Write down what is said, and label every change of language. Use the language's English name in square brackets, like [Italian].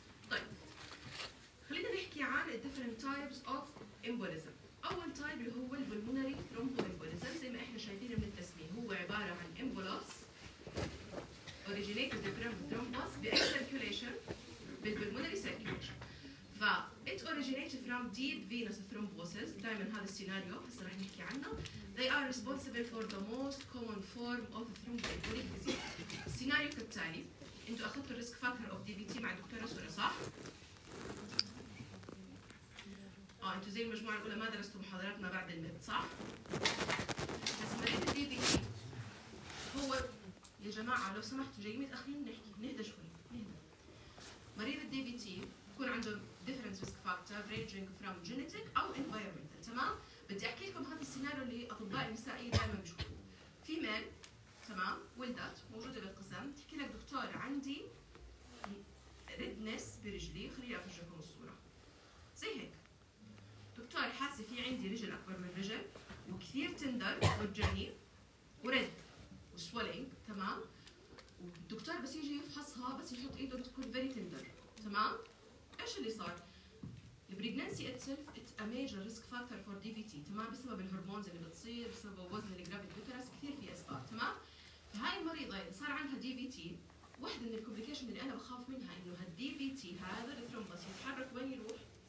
[Arabic] طيب خلينا نحكي عن [English] different types of embolism. [Arabic] اول تايب اللي هو البولمونري ثرومبوإمبوليزم، زي ما احنا شايفين من التسميه، هو عباره عن امبولوس [English] originated from thrombus by circulation [Arabic] بالبولمونري سيركيليشن. [English] It originates from deep venous thrombosis. [Arabic] دائما هذا السيناريو هسه رح نحكي عنه. [English] They are responsible for the most common form of thromboembolic disease. [Arabic] السيناريو كالتالي، انتوا اخذتوا الريسك فاكتور اوف دي بي تي مع الدكتوره سوره، صح؟ انتوا زي المجموعه الاولى ما درستوا محاضراتنا بعد الميد، صح؟ هسه مريض الدي بي تي هو يا جماعه لو سمحتوا جايين متاخرين نحكي، نهدى شوي، نهدى. مريض الدي بي تي بكون عنده [English] different risk factors ranging from genetic [Arabic] أو environmental. تمام؟ بدي أحكي لكم هذا السيناريو اللي أطباء النسائية دائما بيشوفوه. female تمام؟ ولدت موجودة بالقزم، تحكي لك دكتور عندي redness برجلي، خليني أفرجيكم الصورة. زي هيك. دكتور حاسة في عندي رجل أكبر من رجل وكثير تندر وجعني ورد وسولينج، تمام؟ والدكتور بس يجي يفحصها بس يحط ايده بتكون فيري تندر، تمام؟ ايش اللي صار؟ [English] البريجننسي itself a major risk factor for D V T, [Arabic] تمام؟ بسبب الهرمونز اللي بتصير، بسبب وزن الجرافيك يوترس، كثير في اسباب، تمام؟ فهاي المريضه صار عندها دي في تي، واحده من الكومبليكيشن اللي انا بخاف منها انه هالدي في تي هذا الترومبوس يتحرك وين يروح؟